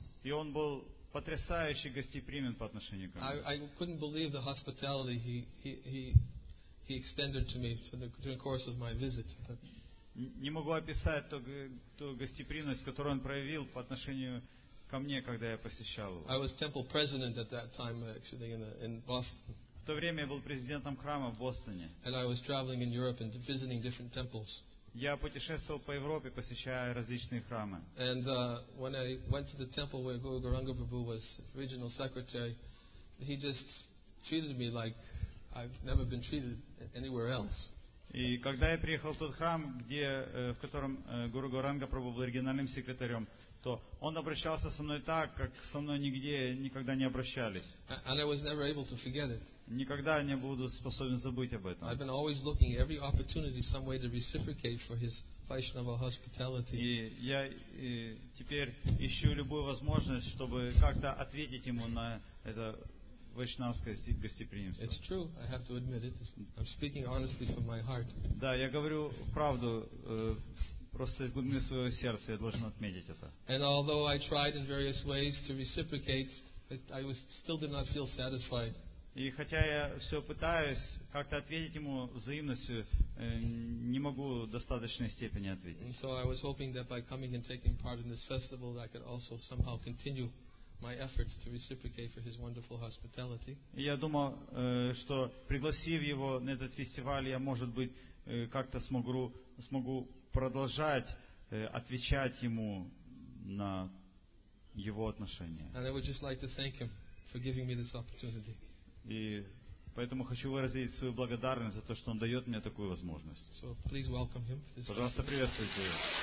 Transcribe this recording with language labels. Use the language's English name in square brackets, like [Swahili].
[Russian] И он был потрясающе гостеприимен по отношению ко мне. [English] I couldn't believe the hospitality he extended to me during the course of my visit. [Russian] Не могу описать ту гостеприимность, которую он проявил по отношению ко мне, когда я посещал его. [English] I was temple president at that time, actually, in Boston. [Russian] В то время я был президентом храма в Бостоне. [English] And I was traveling in Europe and visiting different temples. [Russian] Я путешествовал по Европе, посещая различные храмы. [English] And when I went to the temple where Guru Gauranga Prabhu was regional secretary, he just treated me like I've never been treated anywhere else. [Russian] И когда я приехал в тот храм, в котором Гуру Гауранга Прабху был оригинальным секретарем, то он обращался со мной так, как со мной нигде никогда не обращались. [English] And I was never able to forget it. [Russian] Никогда не буду способен забыть об этом. [English] I've been always looking every opportunity some way to reciprocate for his Vaishnava hospitality. [Russian] И я теперь ищу любую возможность, чтобы как-то ответить ему на это вайшнавское гостеприимство. [English] It's true, I have to admit it. I'm speaking honestly from my heart. [Russian] Да, я говорю правду, просто из глубины своего сердца, я должен отметить это. [English] And although I tried in various ways to reciprocate, I still did not feel satisfied. [Russian] И хотя я все пытаюсь как-то ответить ему взаимностью, не могу в достаточной степени ответить. [English] And so I was hoping that by coming and taking part in this festival, I could also somehow continue my efforts to reciprocate for his wonderful hospitality. [Russian] Я думал, что пригласив его на этот фестиваль, я, может быть, как-то смогу продолжать отвечать ему на его отношения. [English] And I would just like to thank him for giving me this opportunity. [Russian] И поэтому хочу выразить свою благодарность за то, что он дает мне такую возможность. [English] So please welcome him. [Russian] Пожалуйста, приветствуйте его.